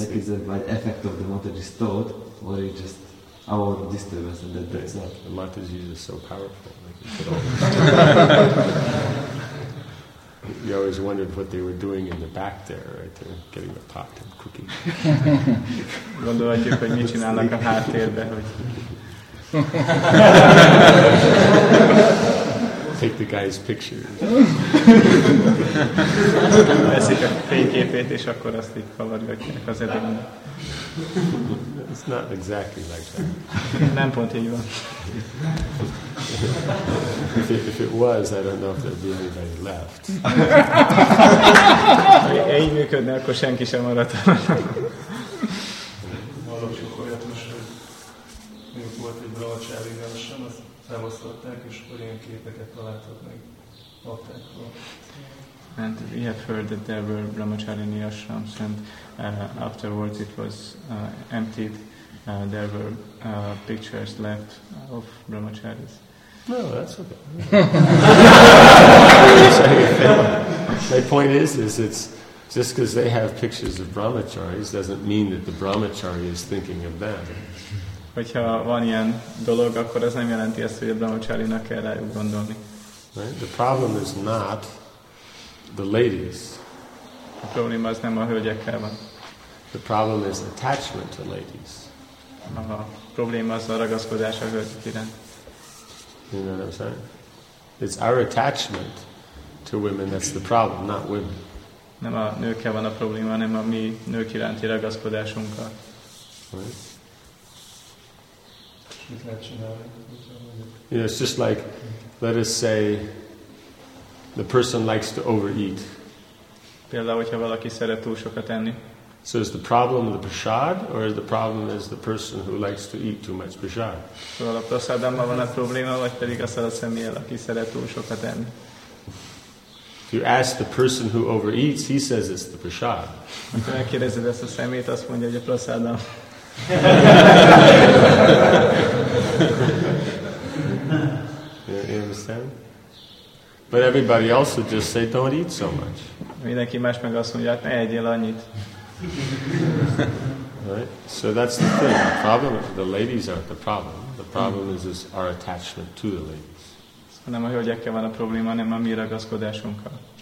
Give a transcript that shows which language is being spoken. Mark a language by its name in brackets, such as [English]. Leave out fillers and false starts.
[English] that is by effect of the Mataji's thought, or it just our disturbance, and that's not. The Matajis are so powerful. Like you always wondered what they were doing in the back there, right? They're getting the pot and cooking. [Hungarian] Gondolhatjuk, hogy mit csinálnak a háttérben, hogy... [English] Take the guy's picture. [Hungarian] Veszik a fényképét, és akkor azt így kavargatják az edényben. [English] It's not exactly like that. [Hungarian] Nem pont így van. [English] If it was, I don't know if there'd be anybody left. [Hungarian] Ha így működne, akkor senki sem maradt. Valós folyamatos, hogy mondjuk volt egy bravacsári versen, azt felosztották, és akkor ilyen képeket találtak meg. [English] And we have heard that there were brahmacharini ashrams, and afterwards it was emptied. There were pictures left of brahmacharis. No, that's okay. My point is it's just because they have pictures of brahmacharis doesn't mean that the brahmachari is thinking of them. [Hungarian] Hogyha van ilyen dolog, akkor az nem jelenti azt, hogy a brahmacharinak kell rájuk gondolni. [English] Right? The problem is not the ladies. [Hungarian] A probléma az nem a hölgyekkel van. [English] The problem is attachment to ladies. [Hungarian] A probléma az a ragaszkodás a hölgyek iránt. [English] You know what I'm saying? It's our attachment to women that's the problem, not women. [Hungarian] Nem a nőkkel van a probléma, hanem a mi nők iránti ragaszkodásunkkal. [English] Right? You know, it's just like, let us say, the person likes to overeat. [Hungarian] Például, hogyha valaki szeret túl sokat enni. [English] So is the problem the prasad, or is the problem is the person who likes to eat too much prasad? [Hungarian] Szóval a prasadammal van a probléma, vagy pedig az a személy, aki szeret túl sokat enni. [English] If you ask the person who overeats, he says it's the prasad. [Hungarian] Amikor megkérdezed ezt a szemét, azt mondja, hogy a prasadam. [English] You understand? But everybody else would just say, "Don't eat so much." [Hungarian] Mindenki más meg azt mondja, ne egyél annyit. [English] Right. So that's the thing. The problem is the ladies aren't the problem. The problem is our attachment to the ladies. [Hungarian] Nem a hölgyekkel van a probléma, hanem a mi ragaszkodásunkkal.